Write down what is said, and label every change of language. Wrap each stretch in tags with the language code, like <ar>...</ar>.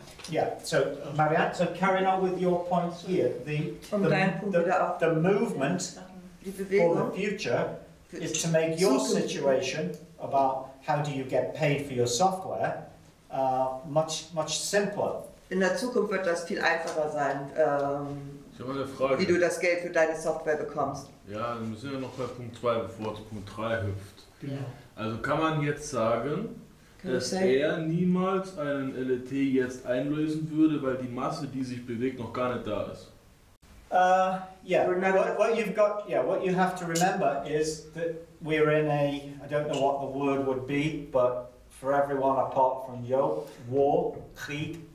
<en>Yeah, so Marianne, so carrying on with your point here, the movement for the future is to make your situation about how do you get paid for your software much simpler.</en> <de>In der Zukunft wird das viel einfacher sein, Frage, wie du das Geld für deine Software bekommst. Ja, dann sind wir noch bei Punkt 2, bevor es Punkt 3 hüpft. Genau. Also kann man jetzt sagen, dass er niemals einen LLT jetzt einlösen würde, weil die Masse, die sich bewegt, noch gar nicht da ist.</de> <en>What you have to remember is that we're in a, I don't know what the word would be, but for everyone apart from you, war, Krieg.</en>